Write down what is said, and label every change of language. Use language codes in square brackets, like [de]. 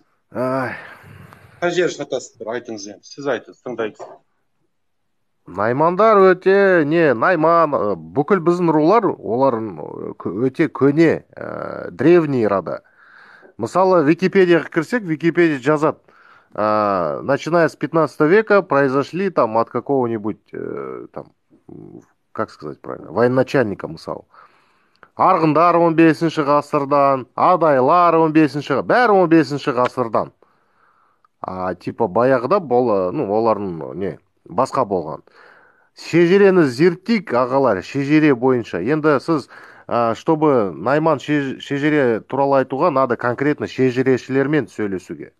[kk] Қай жер шатастырып, айтыңыз енді. Сіз айтыңыз, тыңдайық. Наймандар өте, не, найман, бүкіл біздің рулар, олар өте көне, древний рада. Мысалы, Википедияға кірсек, Википедия жазады. [ru] Начиная с 15 века произошли там от какого-нибудь, там, как сказать правильно, военачальника, мысалы. [kk] Арғындар 15-ші ғасырдан, адайлар 15-ші, бәрі 15-ші ғасырдан. А типа баяғыда болы, ну, олардың не, басқа болған. Шежірені зерттейік, ағалар, шежіре бойынша. Енді сіз, чтобы найман шежіре туралы айтуға, [ru] надо конкретно [kk] шежірешілермен сөйлесуге.